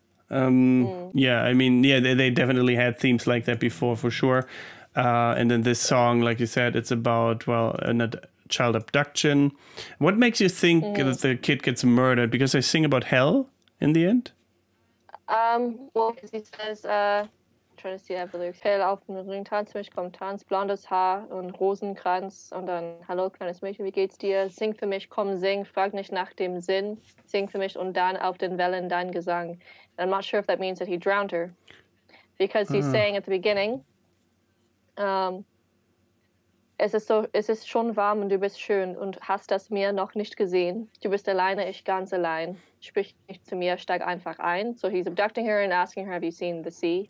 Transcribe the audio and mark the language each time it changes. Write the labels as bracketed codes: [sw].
[en] They definitely had themes like that before, for sure. And then this song, like you said, it's about, child abduction. What makes you think that the kid gets murdered? Because they sing about hell in the end? Because he says, trying to see, I have the lyrics. [de] Hell auf dem Ring tanzt mich, kommt tanz, blondes Haar und Rosenkranz. Und dann, hallo, kleines Mädchen, wie geht's dir? Sing für mich, komm, sing, frag nicht nach dem Sinn. Sing für mich und dann auf den Wellen dein Gesang. [en] And I'm not sure if that means that he drowned her. Because he's saying at the beginning, [de] es ist schon warm und du bist schön und hast das Meer noch nicht gesehen. Du bist alleine, ich ganz allein. Sprich nicht zu mir, steig einfach ein. [en] So he's abducting her and asking her, have you seen the sea?